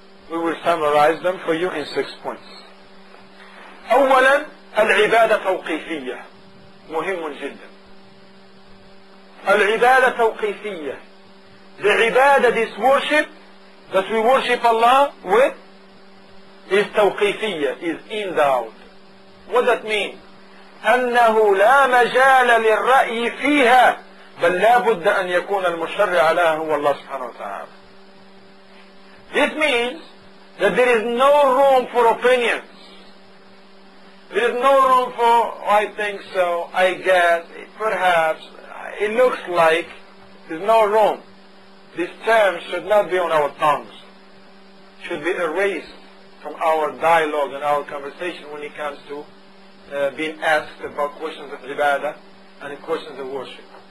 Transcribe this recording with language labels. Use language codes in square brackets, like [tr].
[en] We will summarize them for you in 6 points. [ar] أولا العبادة توقيفية. مهم جدا. العبادة توقيفية. [en] The عبادة is worship, that we worship Allah with, is توقيفية, is endowed. What that mean? [ar] أنه لا مجال للرأي فيها, بل لا بد أن يكون المشرع لها هو الله سبحانه وتعالى. [en] This means that there is no room for opinions. There is no room for, I think so, I guess, perhaps, it looks like, there's no room. This term should not be on our tongues. Should be erased from our dialogue and our conversation when it comes to being asked about questions of ibadah and questions of worship.